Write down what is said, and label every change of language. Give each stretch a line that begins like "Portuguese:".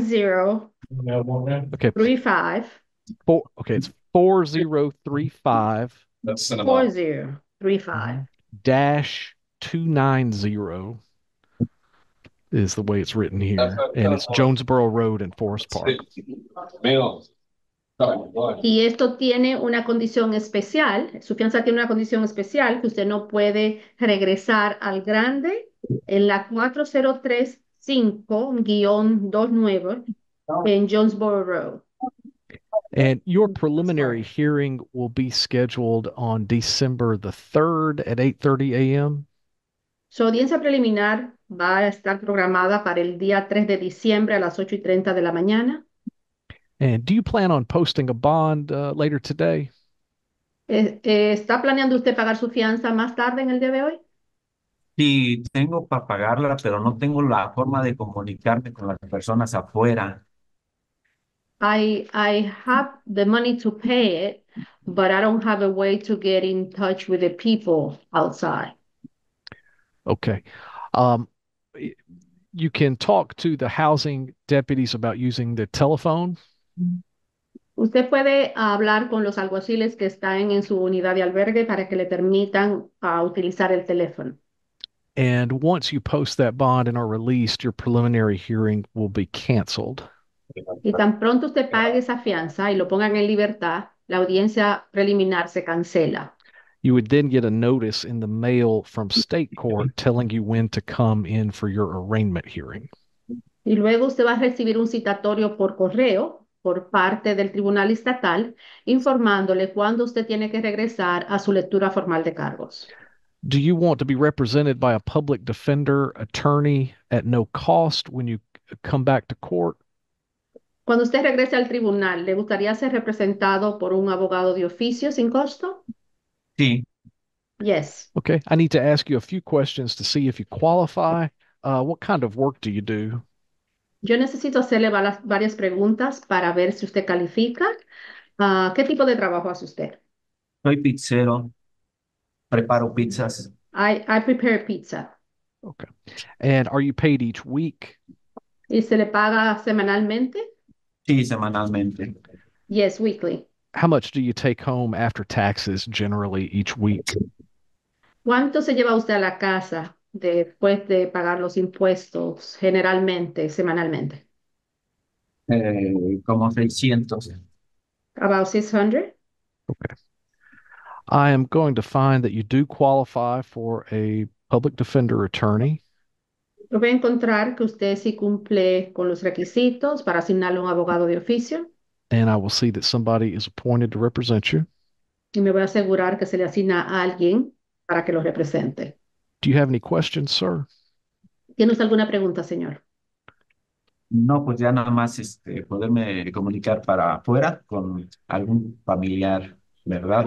English: 4035-290 is the way it's written here, and it's Jonesboro Road in Forest Park.
Spanish: Y esto tiene una condición especial. Su fianza tiene una condición especial que usted no puede regresar al Grande en la 4035-29 en Jonesboro Road.
English: And your preliminary hearing will be scheduled on December the 3rd at 8:30 a.m.
Spanish: Su audiencia preliminar va a estar programada para el día 3 de diciembre a las 8:30 de la mañana.
English: And do you plan on posting a bond later today?
Spanish: ¿Está planeando usted pagar su fianza más tarde en el día de hoy? Sí, tengo para pagarla, pero no tengo la forma de comunicarme con las personas afuera.
English: I have the money to pay it, but I don't have a way to get in touch with the people outside. Okay. You can talk to the housing deputies about using the telephone.
Spanish: Usted puede hablar con los alguaciles que están en su unidad de albergue para que le permitan utilizar el teléfono.
English: And once you post that bond and are released, your preliminary hearing will be canceled.
Spanish: Y tan pronto usted pague esa fianza y lo pongan en libertad, la audiencia preliminar se cancela.
English: You would then get a notice in the mail from state court telling you when to come in for your arraignment hearing.
Spanish: Y luego usted va a recibir un citatorio por correo por parte del tribunal estatal informándole cuándo usted tiene que regresar a su lectura formal de cargos.
English: Do you want to be represented by a public defender attorney at no cost when you come back to court?
Spanish: Cuando usted regrese al tribunal, ¿le gustaría ser representado por un abogado de oficio sin costo? Sí.
English: Yes. Okay, I need to ask you a few questions to see if you qualify. What kind of work do you do?
Spanish: Yo necesito hacerle varias preguntas para ver si usted califica. ¿Qué tipo de trabajo hace usted? Soy pizzero. Preparo pizzas.
English: I prepare pizza. Okay. And are you paid each week?
Spanish: ¿Y se le paga semanalmente? Sí, semanalmente.
English: Yes, weekly. How much do you take home after taxes generally each week?
Spanish: ¿Cuánto se lleva usted a la casa después de pagar los impuestos generalmente, semanalmente? Como 600.
English: About 600. Okay. I am going to find that you do qualify for a public defender attorney.
Spanish: Yo voy a encontrar que usted sí cumple con los requisitos para asignarle un abogado de oficio.
English: And I will see that somebody is appointed to represent you.
Spanish: Y me voy a asegurar que se le asigna a alguien para que lo represente.
English: Do you have any questions, sir?
Spanish: ¿Tienes alguna pregunta, señor? No, pues ya nada más poderme comunicar para afuera con algún familiar, ¿verdad?